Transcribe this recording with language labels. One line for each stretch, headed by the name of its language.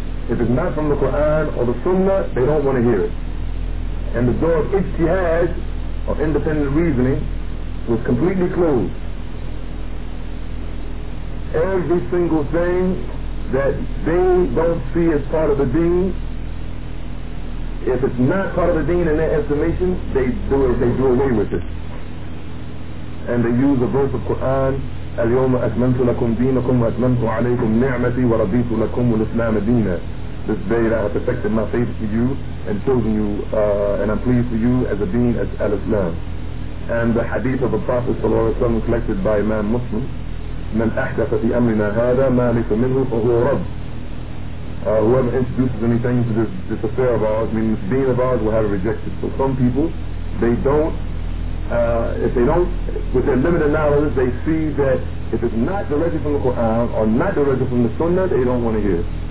English: If it's not from the Quran or the Sunnah, they don't want to hear it. And the door of ijtihad, or independent reasoning, was completely closed. Every single thing that they don't see as part of the deen, if it's not part of the deen in their estimation, they do away with it. And they use a verse of Quran,
Arabic: اليوم أتممت لكم دينكم وأتممت عليكم نعمتي ورضيت لكم الإسلام دينا.
English: This day that I have perfected my faith to you and chosen you and I'm pleased to you as a deen as al-Islam. And the hadith of the Prophet ﷺ collected by Imam Muslim,
Arabic: من أحدث في أمرنا هذا ما ليس منه فهو رب.
English: Whoever introduces anything to this affair of ours, meaning this deen of ours, will have it rejected. So some people, they don't, if they don't, with their limited knowledge, they see that if it's not directly from the Quran or not directly from the Sunnah, they don't want to hear.